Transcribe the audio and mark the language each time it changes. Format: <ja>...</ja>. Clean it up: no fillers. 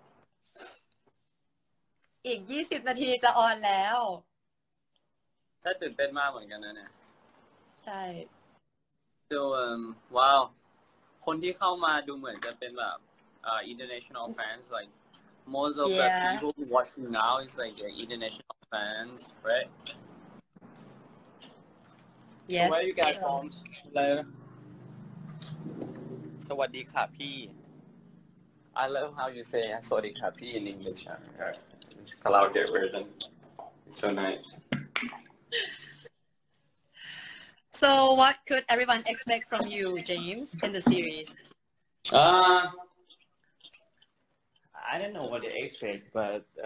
<th>อีก20 นาทีจะออนแล้ว ถ้าตื่นเต้นมากเหมือนกันนะเนี่ย ใช่ so ว้าวคนที่เข้ามาดูเหมือนจะเป็นแบบ</th> <en>international fans like most of yeah. the people watching now is like international fans right yes so where you guys from hello</en> <th>สวัสดีค่ะพี่</th> <en>I love how you say สวัสดีค่ะพี่ in English yeah. It's a loud get version It's so nice So what could everyone expect from you James in the series I don't know what to expect but</en>